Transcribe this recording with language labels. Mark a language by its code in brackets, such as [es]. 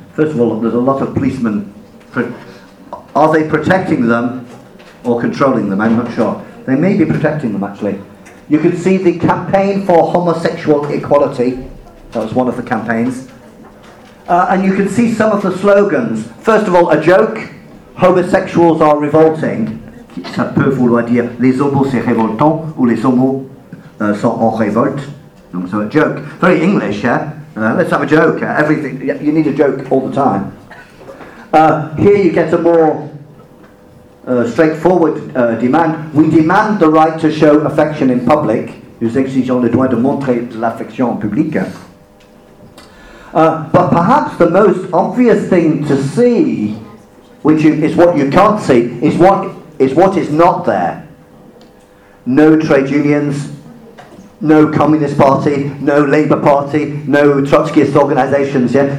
[en] First of all, there's a lot of policemen. Are they protecting them or controlling them? I'm not sure. They may be protecting them, actually. You can see the campaign for homosexual equality. That was one of the campaigns. And you can see some of the slogans. First of all, a joke. Homosexuals are revolting. [fr] Ça peut vouloir dire les homos c'est révoltant ou les homos sont en révolte. [en] Donc, so a joke. Very English, yeah? Let's have a joke. Everything. Yeah, you need a joke all the time. Here you get a more straightforward demand. We demand the right to show affection in public. [fr] Nous exigeons le droit de montrer de l'affection en public. [en] But perhaps the most obvious thing to see, which is what you can't see, is what is not there. No trade unions, no Communist Party, no Labour Party, no Trotskyist organisations. Yeah?